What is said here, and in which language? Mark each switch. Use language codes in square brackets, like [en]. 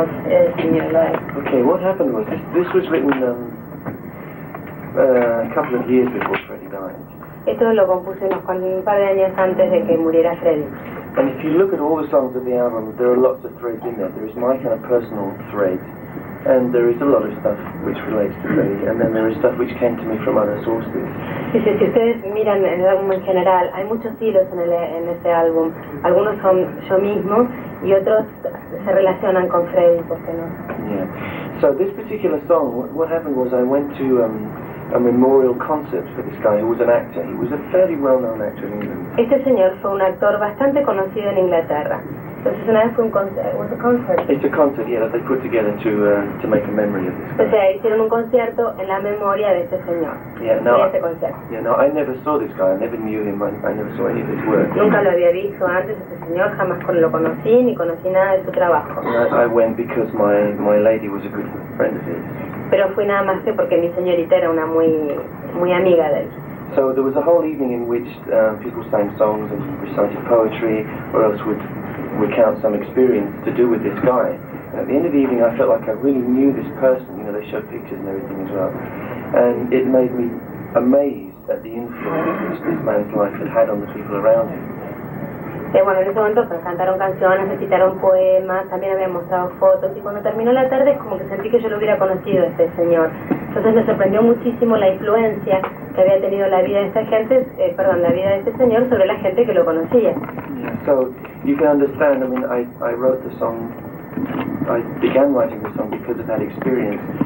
[en] Okay, what happened was this was written a couple of years before Freddy died. [es] Esto lo compuse un par de años antes de que muriera Freddy. [en] And if you look at all the songs of the album, there are lots of threads in there. There is my kind of personal thread, and there is a lot of stuff which relates to me, and then there is stuff which came to me from other sources. [es] Dice, si ustedes miran el álbum en general, hay muchos hilos en ese álbum. Algunos son yo mismo, y otros se relacionan con Freddy, ¿por qué no? [en] Yeah. So this particular song, what happened was I went to a memorial concert for this guy who was an actor. He was a fairly well-known actor in England. [es] Este señor fue un actor bastante conocido en Inglaterra. Entonces una vez fue un concert. [en] It's a concert, yeah, that they put together to make a memory of this guy. [es] O sea, hicieron un concierto en la memoria de este señor. [en] I never saw this guy. I never knew him. I never saw any of his work. [es] Nunca lo había visto antes este señor. Jamás lo conocí ni conocí nada de su trabajo. [en] I went because my lady was a good friend of his. [es] Pero fui nada más que porque mi señorita era una muy amiga de él. [en] So there was a whole evening in which people sang songs and recited poetry or else would recount some experience to do with this guy. And at the end of the evening I felt like I really knew this person, you know, they showed pictures and everything as well. And it made me amazed at the influence which this man's life had had on the people around him. [es] Sí, bueno, en ese momento pues, cantaron canciones, recitaron poemas, también habían mostrado fotos y cuando terminó la tarde es como que sentí que yo lo hubiera conocido a este señor. Entonces me sorprendió muchísimo la influencia que había tenido la vida de esta gente, la vida de este señor sobre la gente que lo conocía. [en] Yeah, so you can understand, I mean, I wrote the song, I began writing the song because of that experience.